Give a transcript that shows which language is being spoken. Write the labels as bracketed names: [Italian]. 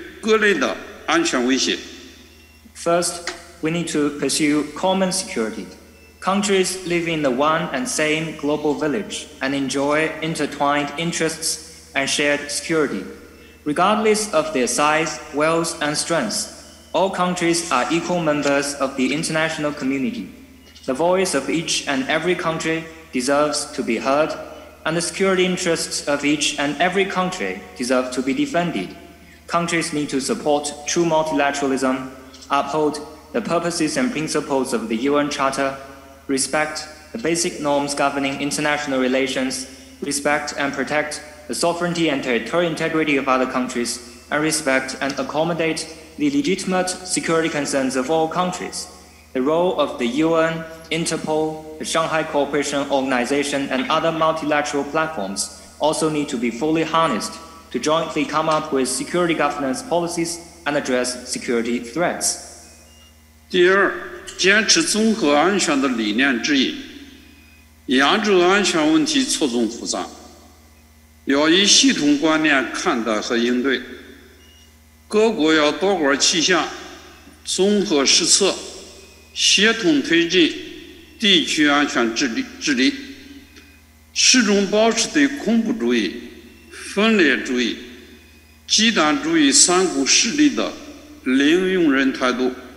[Chinese] 充分发挥联合国、国际刑警组织、上合组织等多边平台作用，共同谋划安全治理之策，共同应对各类的安全威胁。 [English] First, we need to pursue common security. Countries live in the one and same global village and enjoy intertwined interests and shared security. Regardless of their size, wealth, and strengths, all countries are equal members of the international community. The voice of each and every country deserves to be heard, and the security interests of each and every country deserve to be defended. Countries need to support true multilateralism, uphold the purposes and principles of the UN Charter, respect the basic norms governing international relations, respect and protect the sovereignty and territorial integrity of other countries, and respect and accommodate the legitimate security concerns of all countries. The role of the UN, Interpol, the Shanghai Cooperation Organization, and other multilateral platforms also need to be fully harnessed to jointly come up with security governance policies and address security threats. [Chinese] 第二，坚持综合安全的理念之一，研制安全问题侧重复杂，要以系统观念看待和应对，各国要多管齐下，综合实测，协同推进地区安全治理，始终保持对恐怖主义、分裂主义、极端主义三股势力的零容忍态度。